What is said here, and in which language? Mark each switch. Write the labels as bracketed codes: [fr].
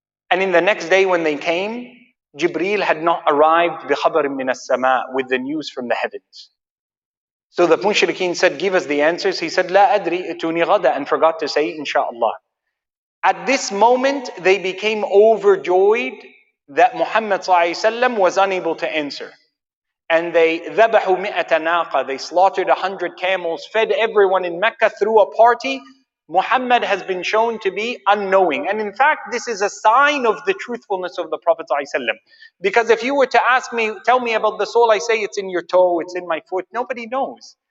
[en] And in the next day when they came, Jibreel had not arrived [ar] بِخَبَرٍ مِّنَ السَّمَاءِ [en] with the news from the heavens. So the mushrikeen said, give us the answers. He said, [ar] لَا أَدْرِي تُونِي غَدًا [en] and forgot to say, inshaAllah. At this moment, they became overjoyed that Muhammad ﷺ was unable to answer. And they [ar] ذَبَحُوا مِئَةَ نَاقَ. [en] They slaughtered 100 camels, fed everyone in Mecca through a party. Muhammad has been shown to be unknowing. And in fact, this is a sign of the truthfulness of the Prophet ﷺ. Because if you were to ask me, tell me about the soul, I say it's in your toe, it's in my foot. Nobody knows.